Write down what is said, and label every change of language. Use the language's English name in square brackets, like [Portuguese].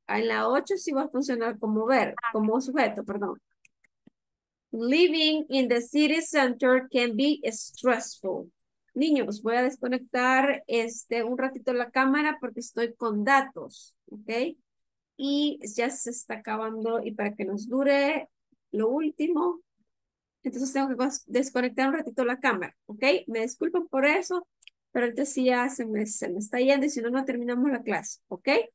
[Spanish] En la 8 sí va a funcionar como verbo, como sujeto, perdón. [English] Living in the city center can be stressful. [Spanish] Niños, voy a desconectar un ratito la cámara porque estoy con datos, ¿ok? Y ya se está acabando y para que nos dure lo último, entonces tengo que desconectar un ratito la cámara, ¿ok? Me disculpan por eso, pero entonces sí ya se me está yendo y si no, no terminamos la clase, ¿ok?